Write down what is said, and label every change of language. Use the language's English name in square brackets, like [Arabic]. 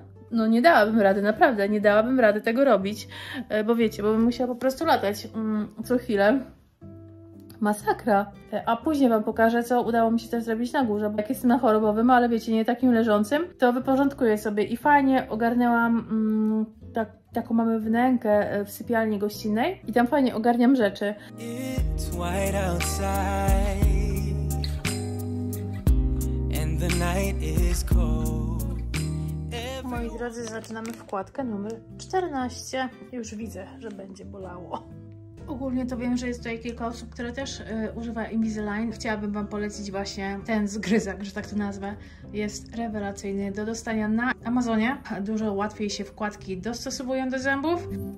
[Polish] No nie dałabym rady, naprawdę nie dałabym rady tego robić, bo wiecie, bo bym musiała po prostu latać co chwilę. Masakra. A później wam pokażę, co udało mi się też zrobić na górze, bo jak jestem na chorobowym, ale wiecie, nie takim leżącym, to wyporządkuję sobie i fajnie ogarnęłam, taką mamy wnękę w sypialni gościnnej i tam fajnie ogarniam rzeczy. [English] It's white outside, and the night is cold. [Polish] Moi drodzy, zaczynamy wkładkę numer 14. Już widzę, że będzie bolało. Ogólnie to wiem, że jest tutaj kilka osób, które też używa Invisalign. Chciałabym wam polecić właśnie ten zgryzak, że tak to nazwę. Jest rewelacyjny do dostania na Amazonie. Dużo łatwiej się wkładki dostosowują do zębów.